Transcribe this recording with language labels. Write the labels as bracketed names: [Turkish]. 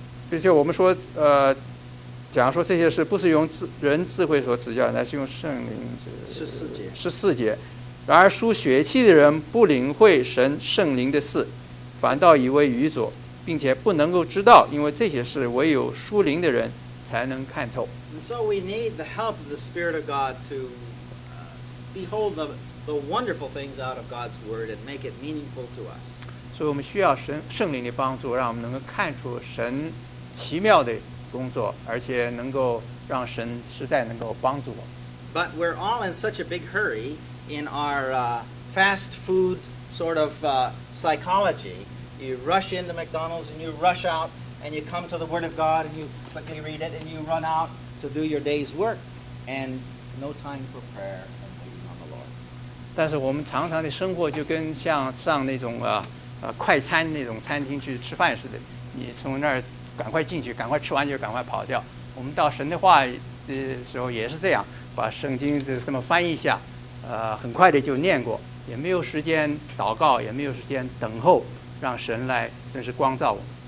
[Chinese] 并且我们说讲说这些事不是用人智慧所指教，乃是用圣灵十四节。然而属血气的人不领会神圣灵的事，反倒以为愚拙，并且不能够知道，因为这些事唯有属灵的人才能看透。 [English] And so we need the help of the Spirit of God to behold the wonderful things out of God's word and make it meaningful to us. [Chinese] 所以我们需要圣灵的帮助，让我们能够看出神奇妙的工作，而且能够让神实在能够帮助我。 [English] But we're all in such a big hurry in our fast food sort of psychology. You rush into McDonald's and you rush out and you come to the Word of God and you quickly read it and you run out to do your day's work and no time for prayer and waiting on the Lord. [Chinese] 但是我们常常的生活就跟像上那种快餐那种餐厅去吃饭似的，你从那儿赶快进去，赶快吃完就赶快跑掉。我们到神的话的时候也是这样，把圣经就这么翻一下，很快的就念过，也没有时间祷告，也没有时间等候，让神来真是光照我们。